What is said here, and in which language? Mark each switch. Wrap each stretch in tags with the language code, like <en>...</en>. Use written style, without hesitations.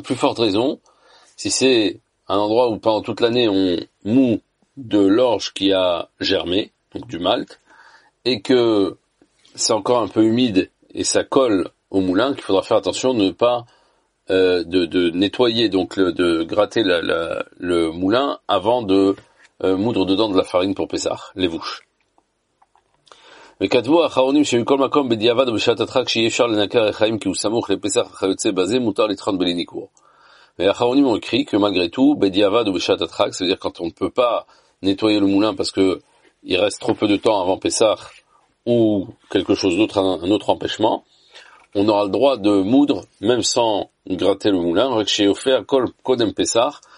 <fr>Plus forte raison, si c'est un endroit où pendant toute l'année on moue de l'orge qui a germé, donc du malt, et que c'est encore un peu humide et ça colle au moulin, qu'il faudra faire attention de ne pas de nettoyer, donc de gratter le moulin avant de moudre dedans de la farine pour Pessah, les vouches.</fr> <he>וכתבו האחרונים שמכל כל מקום בדיעבד ובשעת הדחק שאי אפשר לנקר החיים כי הוא סמוך לפסח וכיוצא בזה, מותר לטחון בלי ניקור.</he> <fr>והאחרונים ont écrit que malgré tout,</fr> <he>בדיעבד ובשעת הדחק,</he> <fr>c'est-à-dire quand on ne peut pas nettoyer le moulin parce qu'il reste trop peu de temps avant Pessah ou quelque chose d'autre, un autre empêchement, on aura le droit de moudre même sans gratter le moulin, avec chez offert kol kodem Pessah.</fr>